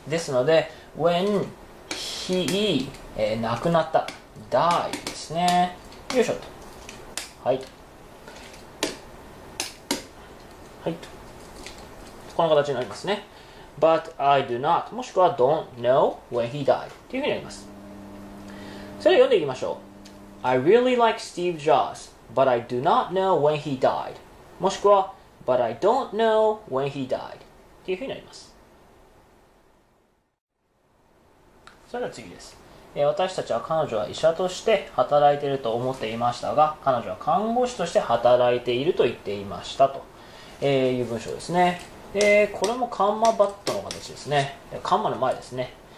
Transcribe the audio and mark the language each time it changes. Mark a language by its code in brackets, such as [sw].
[ja] ですので [en] when he、 [ja] 亡くなった、 die ですね。よいしょと、はいと、はいと、この形になりますね。 [en] But I do not、 [ja] もしくは [en] don't know when he died [ja] というふうになります。それでは読んでいきましょう。 [en] I really like Steve Jobs but I do not know when he died、 [ja] もしくは [en] But I don't know when he died [ja] というふうになります。それでは次です。私たちは彼女は医者として働いていると思っていましたが、彼女は看護師として働いていると言っていましたと、いう文章ですね。これもカンマバットの形ですね。カンマの前ですね。